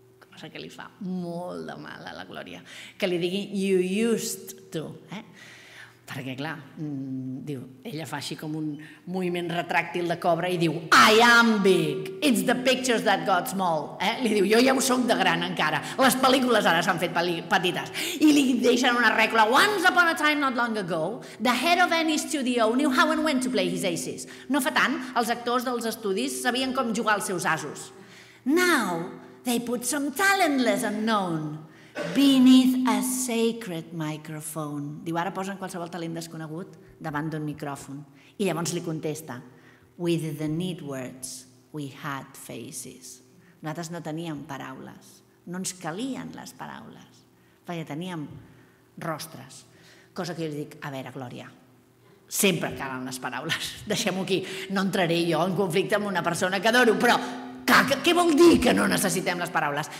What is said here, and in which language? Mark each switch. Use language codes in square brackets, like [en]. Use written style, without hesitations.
[ca] Cosa que li fa molt de mal a la Glòria, que li digui [en] "you used to", [ca] perquè clar, diu, ella fa així com un moviment retràctil de cobra i diu: [en] "I am big, it's the pictures that got small", [ca] li diu, jo ja ho soc de gran encara, les pel·lícules ara s'han fet petites. I li deixen una regla: [en] "Once upon a time not long ago, the head of any studio knew how and when to play his aces." [ca] No fa tant, els actors dels estudis sabien com jugar els seus asos. [en] "Now they put some talentless unknown beneath a sacred microphone." [ca] Diu, ara posen qualsevol talent desconegut davant d'un micròfon. I llavors li contesta: [en] "With the need words, we had faces." [ca] Nosaltres no teníem paraules, no ens calien les paraules, perquè teníem rostres. Cosa que jo li dic: "A veure, Glòria, sempre calen les paraules, deixem-ho aquí. No entraré jo en conflicte amb una persona que adoro, però... què vol dir que no necessitem les paraules?